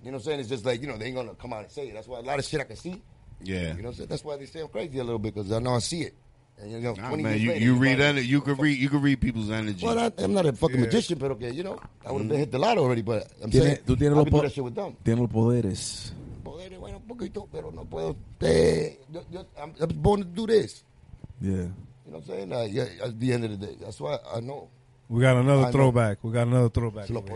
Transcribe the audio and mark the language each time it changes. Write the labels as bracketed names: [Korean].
[English] You know what I'm saying? It's just like, they ain't gonna come out and say it. That's why a lot of shit I can see. Yeah. You know what I'm saying? That's why they say I'm crazy a little bit, because I know I see it. And, you can read people's energy. Well, I'm not a fucking magician, but okay, I would have been hit the lot already, but I'm saying I've been doing that shit with them. [Spanish] Tiene los poderes. Poderes, bueno, un poquito, pero no puedo. [English] I'm born to do this. Yeah. You know what I'm saying? At the end of the day, that's why I know. We got another throwback. We got another throwback.